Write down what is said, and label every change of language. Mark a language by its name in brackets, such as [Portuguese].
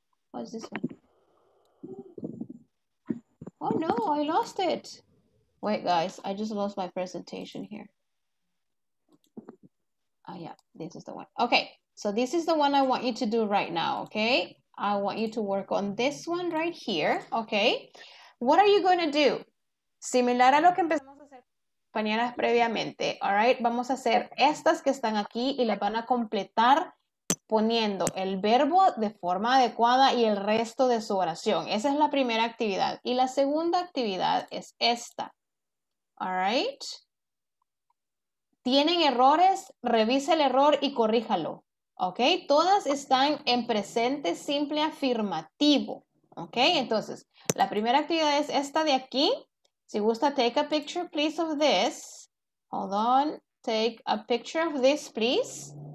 [English] What's this one? Oh, no, I lost it. Wait, guys, I just lost my presentation here. Oh, yeah, this is the one. Okay, so this is the one I want you to do right now, okay? I want you to work on this one right here, okay? What are you going to do? [Spanish] Similar a lo que empezamos a hacer compañeras previamente, [English] all right? [Spanish] Vamos a hacer estas que están aquí y las van a completar poniendo el verbo de forma adecuada y el resto de su oración. Esa es la primera actividad. Y la segunda actividad es esta, [English] all right? [Spanish] Tienen errores, revise el error y corríjalo, ¿ok? Todas están en presente simple afirmativo, ¿ok? Entonces, la primera actividad es esta de aquí. Si gusta, [English] take a picture, please, of this. Hold on, take a picture of this, please.